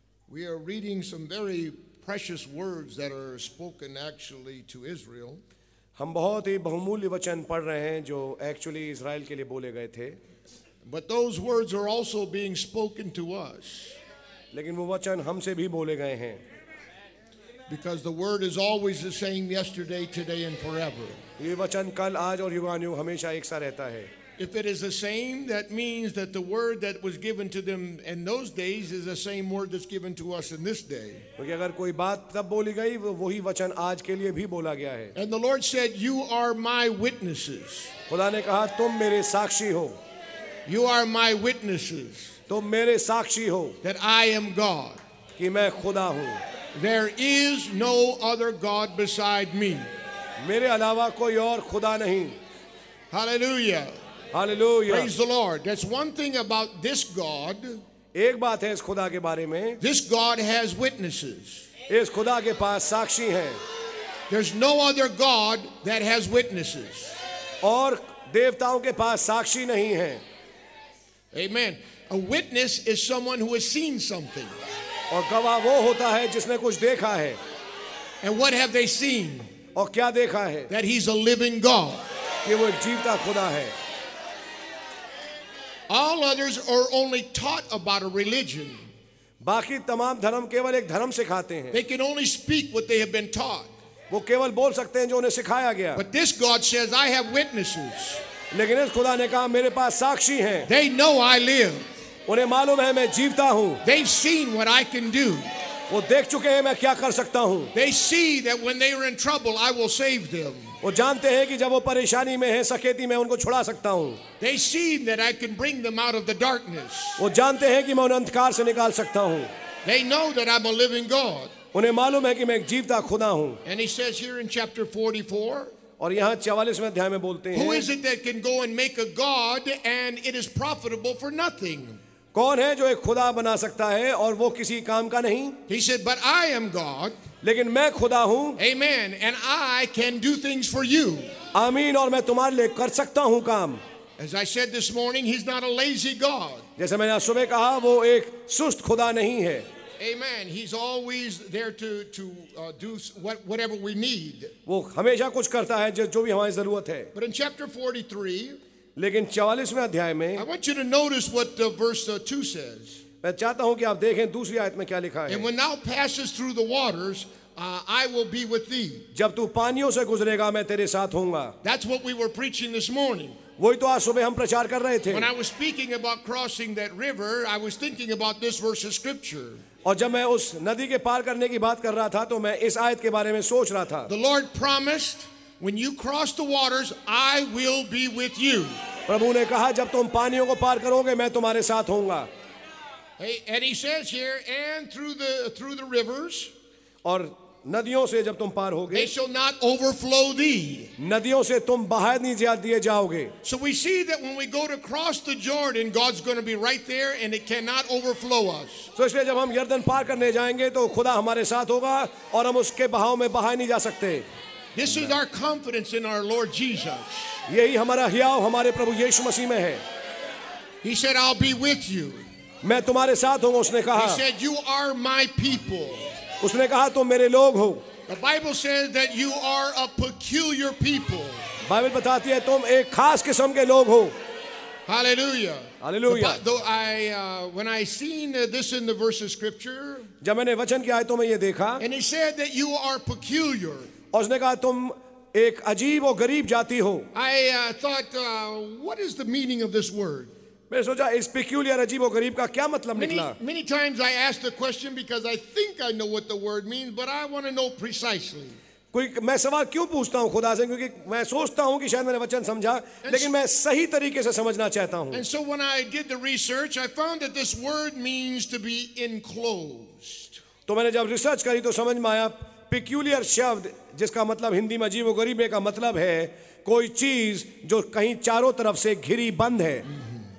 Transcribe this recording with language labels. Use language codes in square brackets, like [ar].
[en] We are reading some very precious words that are spoken actually to Israel. [hi] हम बहुत ही बहुमूल्य वचन पढ़ रहे हैं जो एक्चुअली इसराइल के लिए बोले गए थे [en] But those words are also being spoken to us. [hi] लेकिन वो वचन हमसे भी बोले गए हैं [en] Because the word is always the same yesterday, today and forever. [hi] ये वचन कल आज और युगानुयुग हमेशा एक सा रहता है [en] If it is the same, that means that the word that was given to them in those days is the same word that's given to us in this day. [hi] क्योंकि अगर कोई बात तब बोली गई वही वचन आज के लिए भी बोला गया है [en] And the Lord said, "You are my witnesses." [hi] खुदा ने कहा तुम मेरे साक्षी हो [en] You are my witnesses. [hi] तो मेरे साक्षी हो [en] that I am God. [hi] कि मैं खुदा हूँ [en] There is no other God beside me. [hi] मेरे अलावा कोई और खुदा नहीं [en] Hallelujah. Hallelujah. Praise the Lord. That's one thing about this God. [hi] एक बात है इस खुदा के बारे में. [en] This God has witnesses. [hi] इस खुदा के पास साक्षी हैं. [en] There's no other God that has witnesses. [hi] और देवताओं के पास साक्षी नहीं हैं. [en] Amen. A witness is someone who has seen something. [hi] और गवाह वो होता है जिसने कुछ देखा है. [en] And what have they seen? [hi] और क्या देखा है? [en] That he's a living God. [hi] कि वो एक जीवता खुदा है. [en] All others are only taught about a religion. [hi] बाकी तमाम धर्म केवल एक धर्म सिखाते हैं. [en] They can only speak what they have been taught. [hi] वो केवल बोल सकते हैं जो उन्हें सिखाया गया. [en] But this God says, I have witnesses. [hi] लेकिन इस खुदा ने कहा मेरे पास साक्षी हैं. [en] They know I live. [hi] उन्हें मालूम है मैं जीवता हूँ. [en] They've seen what I can do. [hi] वो देख चुके हैं मैं क्या कर सकता हूँ. [en] They see that when they are in trouble, I will save them. [hi] वो जानते हैं कि जब वो परेशानी में हैं सकेती मैं उनको छुड़ा सकता हूँ. [en] They see that I can bring them out of the darkness. [hi] वो जानते हैं कि मैं उन्हें अंधकार से निकाल सकता हूँ. [en] They know that I'm a living God. [hi] उन्हें मालूम है कि मैं एक जीवता खुदा हूँ. [en] And he says here in chapter 44. [hi] और यहाँ 44वें अध्याय में बोलते हैं. [en] Who is it that can go and make a God and it is profitable for nothing? [hi] कौन है जो एक खुदा बना सकता है और वो किसी काम का नहीं? [en] He said, but I am God. [hi] लेकिन मैं खुदा हूँ. [en] Amen. And I can do things for you. [hi] आमीन. और मैं तुम्हारे लिए कर सकता हूँ काम. [en] As I said this morning, he's not a lazy God. [hi] जैसे मैंने सुबह कहा वो एक सुस्त खुदा नहीं है. [en] Amen. He's always there to do whatever we need. [hi] वो हमेशा कुछ करता है जो भी हमारी जरूरत है. [en] But in chapter 43, [hi] लेकिन 44वें अध्याय में, [en] I want you to notice what verse 2 says. [hi] मैं चाहता हूं कि आप देखें दूसरी आयत में क्या लिखा है. [en] And when thou passest through the waters, I will be with thee. [hi] जब तू पानियों से गुजरेगा मैं तेरे साथ हूंगा. [en] That's what we were preaching this morning. [hi] वही तो आज सुबह हम प्रचार कर रहे थे. [en] When I was speaking about crossing that river, I was thinking about this verse of scripture. [hi] और जब मैं उस नदी के पार करने की बात कर रहा था तो मैं इस आयत के बारे में सोच रहा था. [en] The Lord promised, when you cross the waters, I will be with you. [hi] प्रभु ने कहा जब तुम पानियों को पार करोगे मैं तुम्हारे साथ होऊंगा. [en] Hey, and he says here, and through the rivers, [hi] और नदियों से जब तुम पार होगे, [en] they shall not overflow thee. [hi] नदियों से तुम बहा नहीं दिए जाओगे. [en] So we see that when we go to cross the Jordan, God's going to be right there, and it cannot overflow us. [hi] तो इसलिए जब हम यर्दन पार करने जाएंगे तो खुदा हमारे साथ होगा और हम उसके बहाव में बहा नहीं जा सकते. [en] This is our confidence in our Lord Jesus. [hi] यही हमारा हियाव हमारे प्रभु यीशु मसीह में है. [en] He said, "I'll be with you." [hi] मैं तुम्हारे साथ हूँ उसने कहा. [en] He said, "You are my people." [hi] उसने कहा तुम मेरे लोग हो. [en] The Bible says that you are a peculiar people. [hi] Bible बताती है तुम एक खास किस्म के लोग हो. [en] Hallelujah. Hallelujah. When I seen this in the verse of scripture, [hi] जब मैंने वचन की आयतों में ये देखा, [en] and he said that you are peculiar. [hi] उसने कहा तुम एक अजीब और गरीब जाति हो. [en] I thought, what is the meaning of this word? [hi] मैंने सोचा इस पिक्यूलियर अजीब और गरीब का क्या मतलब निकला. [en] Many times I ask the question because I think I know what the word means, but I want to know precisely. [hi] मैं सवाल क्यों पूछता हूँ खुदा से, क्योंकि मैं सोचता हूँ कि शायद मैंने वचन समझा लेकिन मैं सही तरीके से समझना चाहता हूँ. [en] And so when I did the research, I found that this word means to be enclosed. [hi] तो मैंने जब रिसर्च करी तो समझ में आया पिक्यूलियर शब्द जिसका मतलब हिंदी में अजीब और गरीब का मतलब है कोई चीज जो कहीं चारों तरफ से घिरी बंद है.